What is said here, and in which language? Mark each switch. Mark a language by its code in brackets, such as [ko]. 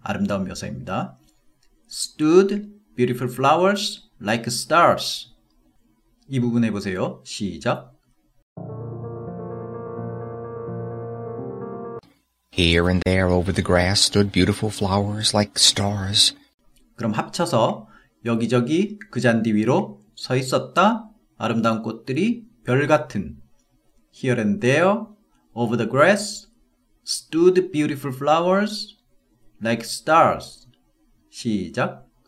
[ko] 아름다운 묘사입니다. [en] Stood beautiful flowers like stars. [ko] 이 부분 해보세요. 시작. [en] Here and there over the grass stood beautiful flowers like stars. [ko] 그럼 합쳐서 여기저기 그 잔디 위로 서 있었다. 아름다운 꽃들이 별 같은. [en] Here and there over the grass stood beautiful flowers like stars. [ko] 시작.